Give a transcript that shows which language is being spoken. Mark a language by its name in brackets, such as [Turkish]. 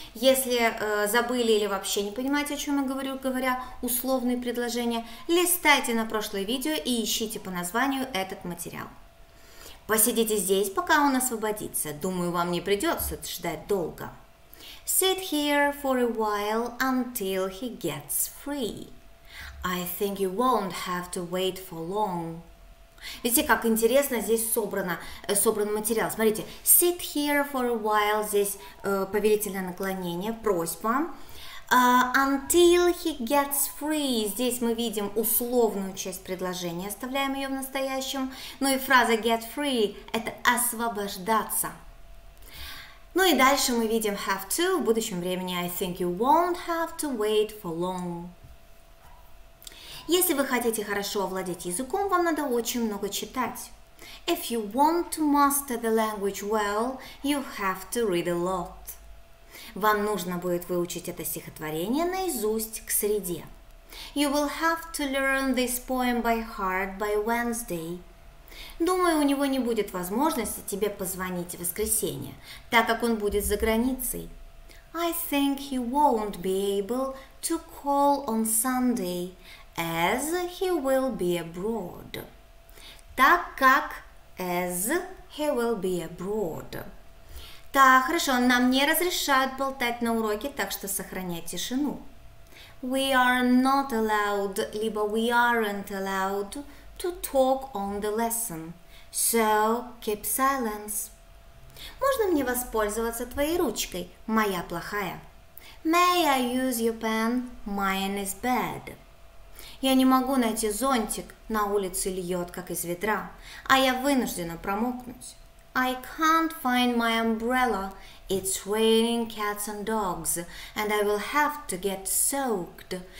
[Russian] Если забыли или вообще не понимаете, о чем я говорю, говоря условные предложения, листайте на прошлое видео и ищите по названию этот материал. Посидите здесь, пока он освободится. Думаю, вам не придется ждать долго. [English] Sit here for a while until he gets free. I think you won't have to wait for long. [Russian] Видите, как интересно здесь собран материал. Смотрите, [English] sit here for a while, [Russian] здесь повелительное наклонение, просьба. [English] Until he gets free, [Russian] здесь мы видим условную часть предложения, оставляем ее в настоящем. Ну и фраза get free – это освобождаться. Ну и дальше мы видим have to в будущем времени. [English] I think you won't have to wait for long. [Russian] Если вы хотите хорошо овладеть языком, вам надо очень много читать. [English] If you want to master the language well, you have to read a lot. [Russian] Вам нужно будет выучить это стихотворение наизусть к среде. [English] You will have to learn this poem by heart by Wednesday. [Russian] Думаю, у него не будет возможности тебе позвонить в воскресенье, так как он будет за границей. [English] I think he won't be able to call on Sunday, as he will be abroad. [Russian] Так как [English] as he will be abroad. [Russian] Так, хорошо, нам не разрешают болтать на уроке, так что сохраняй тишину. [English] We are not allowed, либо we aren't allowed to talk on the lesson. So, keep silence. [Russian] Можно мне воспользоваться твоей ручкой? Моя плохая. [English] May I use your pen? Mine is bad. [Russian] Я не могу найти зонтик, на улице льет, как из ведра, а я вынуждена промокнуть. [English] I can't find my umbrella, it's raining cats and dogs, and I will have to get soaked.